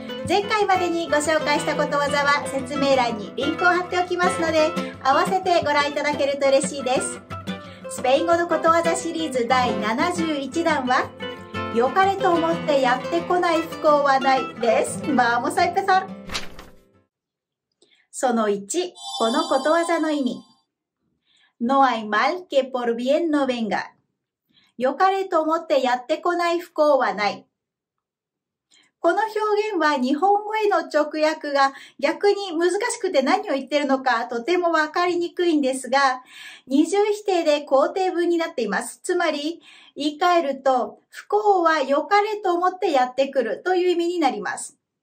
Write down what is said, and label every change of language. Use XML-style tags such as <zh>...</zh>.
<ja>前回までにご紹介したことわざは説明欄にリンクを貼っておきますので、合わせてご覧いただけると嬉しいです。スペイン語のことわざシリーズ第71弾は、良かれと思ってやってこない不幸はないです。バーモサイペさん。その1、このことわざの意味。</ja> <es>No hay mal que por bien no venga。</es> <ja>良かれと思ってやってこない不幸はない。この表現は日本語への直訳が逆に難しくて、何を言ってるのかとてもわかりにくいんですが、二重否定で肯定文になっています。つまり、言い換えると、不幸は良かれと思ってやってくるという意味になります。</ja>